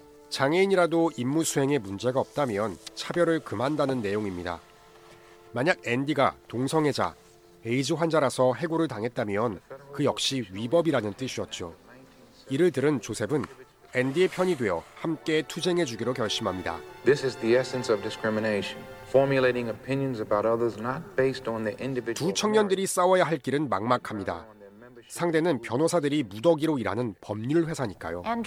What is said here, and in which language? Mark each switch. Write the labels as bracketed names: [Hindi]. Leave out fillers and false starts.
[Korean] 장애인이라도 임무 수행에 문제가 없다면 차별을 금한다는 내용입니다. 만약 앤디가 동성애자, 에이즈 환자라서 해고를 당했다면 그 역시 위법이라는 뜻이었죠. 이를 들은 조셉은 앤디의 편이 되어 함께 투쟁해 주기로 결심합니다. [English] This is the essence of discrimination. Formulating opinions about others not based on the individual. [Korean] 두 청년들이 싸워야 할 길은 막막합니다. 상대는 변호사들이 무더기로 일하는 법률 회사니까요.